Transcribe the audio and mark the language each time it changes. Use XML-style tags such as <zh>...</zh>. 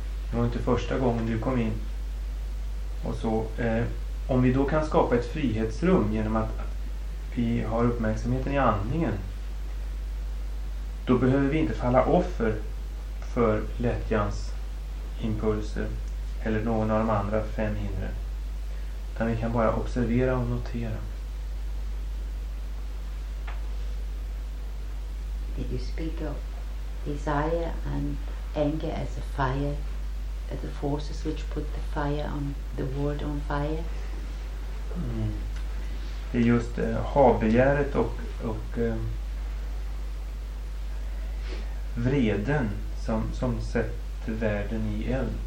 <sv>Det var inte första gången du kom in. Och så om vi då kan skapa ett frihetsrum genom att vi har uppmärksamheten i andningen, då behöver vi inte falla offer för lättjans impulser eller någon av de andra fem hindren. Utan vi kan bara observera och notera.</sv> <en>Did you speak of desire and anger as a fire, as the forces which put the fire on the world on fire?</en> <sv>Det är just habegäret och vreden som sätter världen i eld.</sv>